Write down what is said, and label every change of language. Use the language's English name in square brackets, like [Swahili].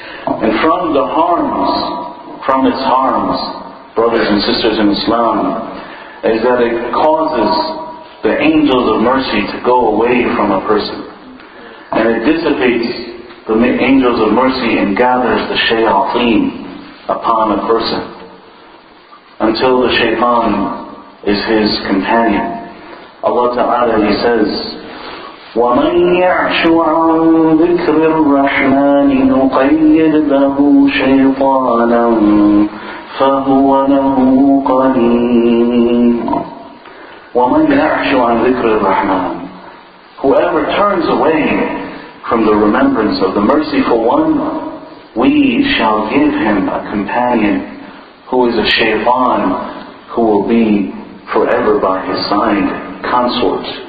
[English] And from the harms, from its harms, brothers and sisters in Islam, is that it causes the angels of mercy to go away from a person. And it dissipates the angels of mercy and gathers the shayateen upon a person until the shaytan is his companion. Allah Ta'ala, He says, [Arabic] وَمَنْ يَعْشُ عَنْ ذِكْرِ الرَّحْمَنِ نُقَيِّدْ لَهُ شَيْطَانًا فَهُوَ لَهُ قَرِينٌ. وَمَنْ يَعْشُ عَنْ ذِكْرِ الرَّحْمَنِ. [English] Whoever turns away from the remembrance of the merciful one, we shall give him a companion who is a shaytan, who will be forever by his side, consort.